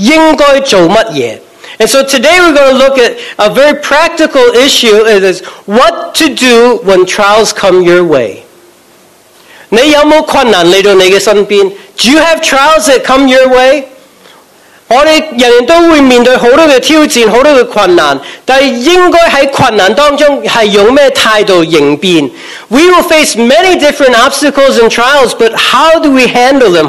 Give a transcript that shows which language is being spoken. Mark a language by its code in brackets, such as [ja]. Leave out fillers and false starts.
[en] And so today we're going to look at a very practical issue, it is what to do when trials come your way. [zh] 你有没有困难来到你的身边? [en] Do you have trials that come your way? [zh] 我们人人都会面对很多的挑战，很多的困难，但应该在困难当中是用什么态度迎面? [en] We will face many different obstacles and trials, but how do we handle them?